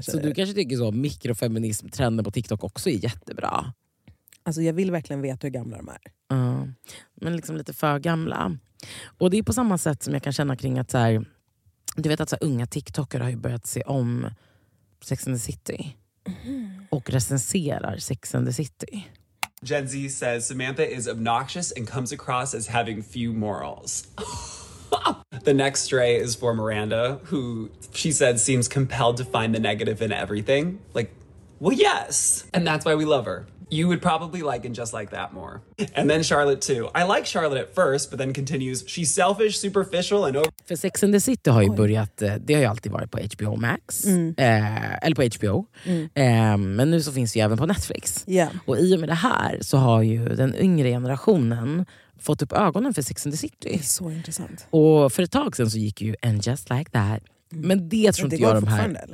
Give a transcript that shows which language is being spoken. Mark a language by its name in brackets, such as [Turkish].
[Swedish] Så du kanske tycker så mikrofeminism trenden på TikTok också är jättebra. Alltså jag vill verkligen veta hur gamla de är. Men liksom lite för gamla. Och det är på samma sätt som jag kan känna kring att så här, du vet att så här, unga TikTokare har ju börjat se om Sex and the City. Mm. Och recenserar Sex and the City. [English] Gen Z says Samantha is obnoxious and comes across as having few morals. The next stray is for Miranda, who she said seems compelled to find the negative in everything. Like, well, yes. And that's why we love her. You would probably like And Just Like That more. And then Charlotte too. I like Charlotte at first, but then continues, she's selfish, superficial and over. [Swedish] För Sex and the City har ju börjat, det har ju alltid varit på HBO Max. Mm. Eller på HBO. Mm. Men nu så finns det ju även på Netflix. [English] Yeah. [Swedish] Och i och med det här så har ju den yngre generationen fått upp ögonen för Sex and the City. Så intressant. Och för ett tag sedan så gick ju And Just Like That. Mm. Men det tror inte jag de här.